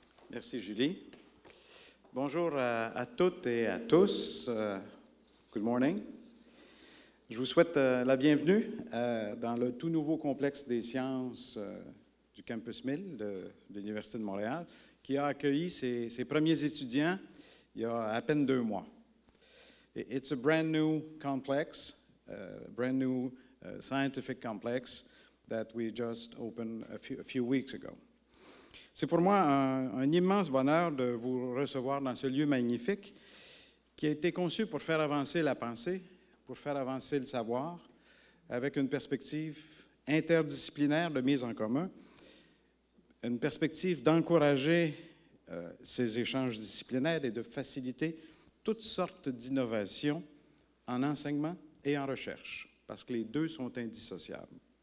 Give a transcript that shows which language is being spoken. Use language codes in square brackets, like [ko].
[fr] Merci, Julie. Bonjour à toutes et à tous. [en] Good morning. [fr] Je vous souhaite la bienvenue dans le tout nouveau complexe des sciences du Campus 1000 de l'Université de Montréal, qui a accueilli ses premiers étudiants il y a à peine 2 mois. [en] It's a brand new complex, brand new scientific complex that we just opened a few weeks ago. [fr] C'est pour moi un immense bonheur de vous recevoir dans ce lieu magnifique qui a été conçu pour faire avancer la pensée, pour faire avancer le savoir, avec une perspective interdisciplinaire de mise en commun, une perspective d'encourager ces échanges disciplinaires et de faciliter toutes sortes d'innovations en enseignement et en recherche, parce que les deux sont indissociables.